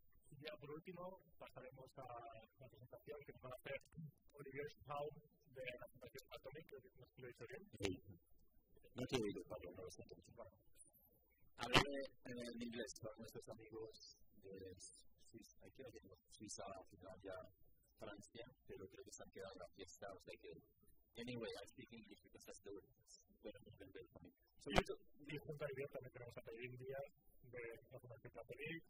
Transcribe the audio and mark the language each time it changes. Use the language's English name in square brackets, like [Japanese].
[Spanish] Y ya por último pasaremos a la presentación que nos va a hacer Olivier Schulbaum de la Fundación Catalan, creo que nos lo he dicho bien. Sí. No te he oído, Pablo, no lo sé. Hablaré en inglés para nuestros amigos de Suiza, creo que no, Suiza, Finlandia, Francia, pero creo que se han quedado en la fiesta, o sea que. [English] Anyway, I speak English because that's the word. [Spanish] Bueno, no me veo también. So, yo junto a Olivier también tenemos a Tayrine Dias de la Fundación Catalan.